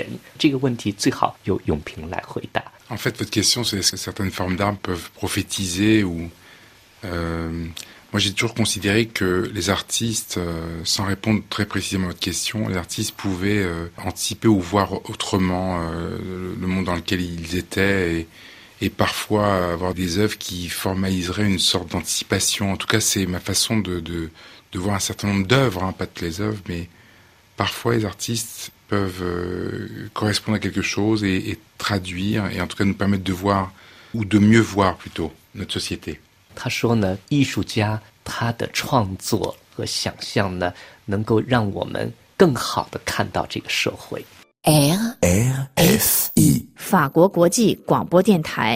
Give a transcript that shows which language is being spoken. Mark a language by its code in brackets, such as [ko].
[zh] 比方说，可以在大资本的基金会里，比尔盖茨啊，或者扎克伯尔，或者中国的大资本的基金会里展出哪一个更好？甘曼呢，好像没有直接回答。他的意思呢，就是说，永平是一个深思熟虑的人。这个问题最好由永平来回答。 [fr] En fait, votre question, c'est est-ce que certaines formes d'art peuvent prophétiser ou Moi, j'ai toujours considéré que les artistes, sans répondre très précisément à votre question, les artistes pouvaient anticiper ou voir autrement le monde dans lequel ils étaient et parfois avoir des œuvres qui formaliseraient une sorte d'anticipation. En tout cas, c'est ma façon de voir un certain nombre d'œuvres, hein, pas toutes les œuvres, mais parfois les artistes peuvent correspondre à quelque chose et traduire et en tout cas nous permettre de voir ou de mieux voir plutôt notre société. [zh] 他说呢，艺术家他的创作和想象呢，能够让我们更好的看到这个社会。 RFI 法国国际广播电台。